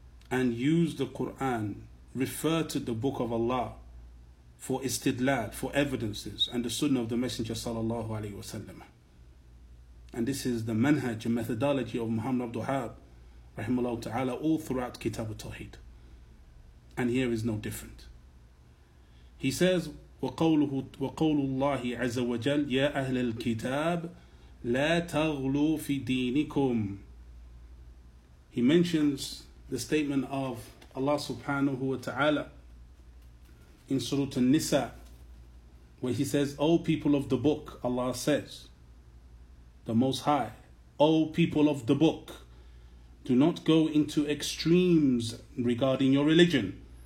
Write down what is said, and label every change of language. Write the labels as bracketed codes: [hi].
[en] And use the Quran, refer to the book of Allah for istidlal, for evidences, and the sunnah of the Messenger sallallahu alayhi wa sallam. And this is the manhaj and methodology of Muhammad Abdul Wahhab rahimahullah ta'ala all throughout Kitab al-Tawheed. And here is no different. He says, [ar] وَقَوْلُ اللَّهِ عَزَ وَجَلْ يَا أَهْلَ الْكِتَابِ لَا تَغْلُوا فِي دِينِكُمْ. [en] He mentions the statement of Allah subhanahu wa ta'ala in Surah An-Nisa, where he says, O people of the book, Allah says, the Most High, O people of the book, do not go into extremes regarding your religion.